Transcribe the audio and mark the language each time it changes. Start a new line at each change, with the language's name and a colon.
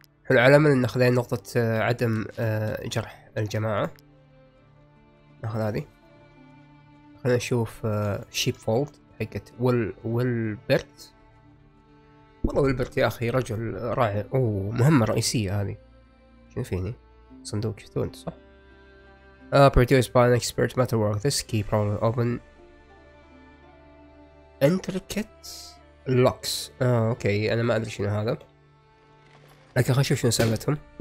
Arabic: العلامة ان اخذين نقطة عدم جرح الجماعة. ناخذ هذي خلينا نشوف شيب فولد حقت ويلبرت. والله ويلبرت يا اخي رجل رائع. اوه مهمة رئيسية هذي. شنو فيني صندوق شفتوه انت صح.
English: produced by an expert metalwork this key probably open intricate locks.
Arabic: اوكي انا ما ادري شنو هذا لكن خلينا نشوف شنو سالفتهم.